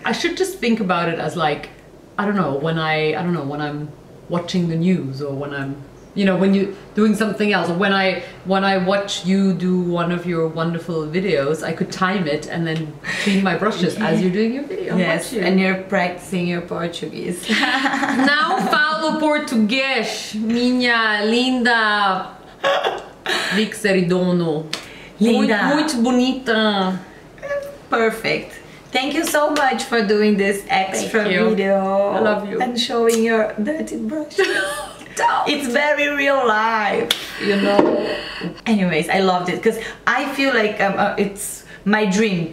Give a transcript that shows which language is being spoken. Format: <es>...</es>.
<en>I should just think about it as like, when I'm watching the news, or when I'm, you know, when you're doing something else, or when I watch you do one of your wonderful videos, I could time it and then clean my brushes as you're doing your video. Yes, and you're practicing your Portuguese. Now</en> <pt>falo português, minha linda Vic Ceridono. Linda. Muito bonita.</pt> <en>Perfect. Thank you so much for doing this extra video. I love you. And showing your dirty brush. Don't. It's very real life, you know. Anyways, I loved it because I feel like it's my dream.</en>